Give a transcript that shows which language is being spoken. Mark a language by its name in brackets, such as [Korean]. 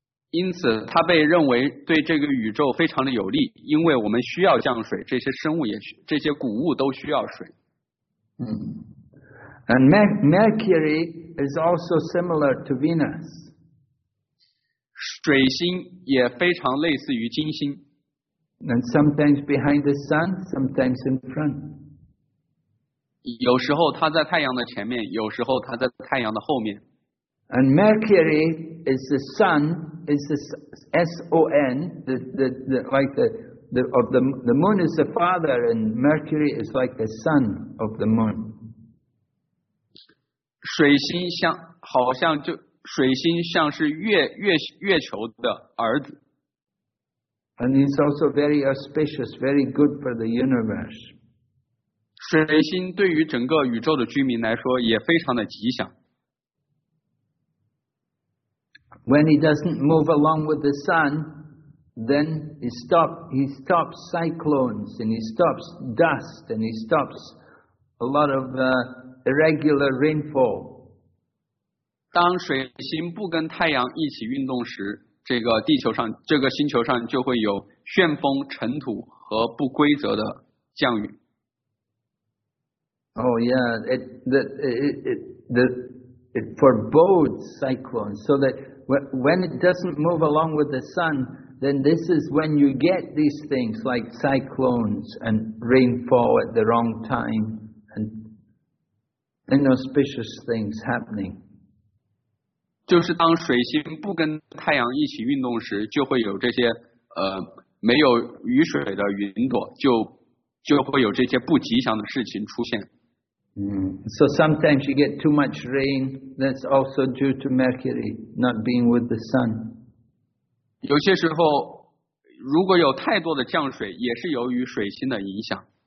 [Chinese] 因此，它被认为对这个宇宙非常的有利，因为我们需要降水，这些生物也需，这些谷物都需要水。 [English] And Mercury. Is also similar to Venus. [Chinese] 水星也非常类似于金星。 [English] And sometimes behind the sun, sometimes in front. [Chinese] 有时候它在太阳的前面，有时候它在太阳的后面。 [English] And Mercury is the sun, is the S-O-N, the like the of the moon is the father, and Mercury is like the son of the moon. [Chinese] 水星像好像就水星像是月球的儿子。 [English] And it's also very auspicious, very good for the universe. [Chinese] 水星对于整个宇宙的居民来说也非常的吉祥。 [English] When he doesn't move along with the sun, then he stops cyclones and he stops dust and he stops a lot of the irregular rainfall. [Chinese] 当水星不跟太阳一起运动时，这个地球上、这个星球上就会有旋风、尘土和不规则的降雨。 [English] Oh yeah, it forebodes cyclones, so that when it doesn't move along with the sun, then this is when you get these things like cyclones and rainfall at the wrong time and inauspicious things happening. [Chinese] 就是当水星不跟太阳一起运动时，就会有这些没有雨水的云朵，就会有这些不吉祥的事情出现。 [English] So sometimes you get too much rain. That's also due to Mercury not being with the sun. [Chinese] 有些时候，如果有太多的降水，也是由于水星的影响。